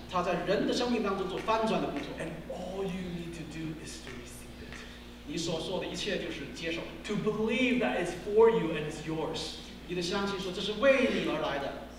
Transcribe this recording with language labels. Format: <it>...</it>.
<zh>他在人的生命当中做翻转的工作.</zh> <en>And all you need to do is to receive it.</en> <zh>你所说的一切就是接受.</zh> <en>To believe that it's for you and it's yours.</en> <zh>你的相信说这是为你而来的,</zh>